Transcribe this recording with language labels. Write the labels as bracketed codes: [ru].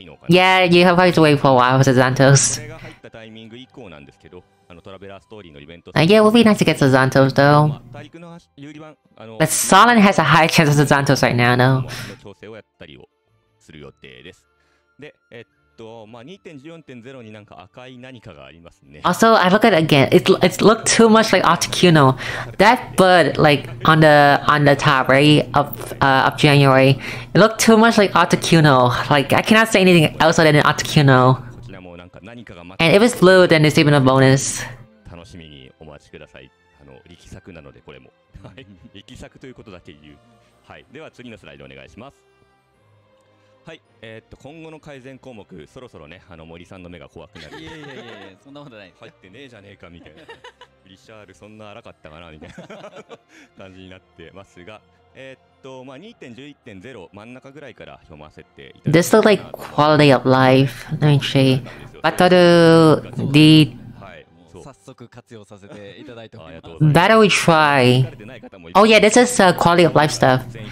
[en] Yeah, you have probably to wait for a while for the Zantos. Yeah, it would be nice to get the Zantos though. But Solon has a high chance of the Zantos right now, though. [ja] の調整をやったりをする予定です。で、まあ 2.14.0 になんか赤い何かがありますね。 [en] Also, I look at it again. It looked too much like Articuno. That bird, like, on the top, right, of January. It looked too much like Articuno. Like, I cannot say anything else other than Articuno. And if it's blue, then it's even a bonus. [ja] 楽しみにお待ちください。あの力作なのでこれも。力作ということだけ言う。はい。では次のスライドお願いします。はい。今後の改善項目、そろそろね、あの森さんの目が怖くなる。いやいやいやいや、そんなことない。入ってねえじゃねえかみたいな。リシャールそんな荒かったかなみたいな感じになってますが。まあ 2.11.0 真ん中ぐらいから読ませていただきます。 [en] This looks like quality of life, let me see. Battle D. [ja] はい、もう早速活用させていただいてます。 [en] Battle we try. Oh yeah, this is quality of life stuff.